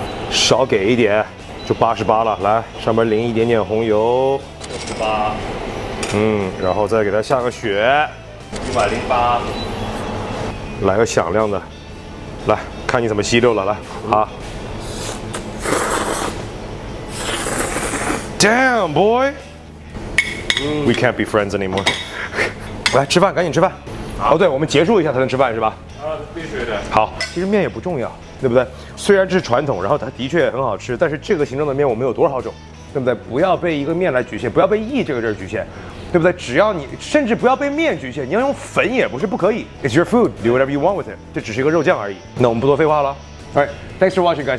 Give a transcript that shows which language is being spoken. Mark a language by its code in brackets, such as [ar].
[zh] 少给一点就88了，来上面淋一点点红油， 68，然后再给它下个雪， 108，来个响亮的，来看你怎么吸溜了，来，好。 [en] Damn boy, we can't be friends anymore. [zh] 来吃饭，赶紧吃饭。哦，对，我们结束一下才能吃饭是吧？必须的。好，其实面也不重要，对不对？虽然这是传统，然后它的确很好吃，但是这个形状的面我们有多少种，对不对？不要被一个面来局限，不要被意这个字局限，对不对？只要你甚至不要被面局限，你要用粉也不是不可以。 [en] It's your food, do whatever you want with it. [zh] 这只是一个肉酱而已。那我们不多废话了。 [en] All right, thanks for watching, guys.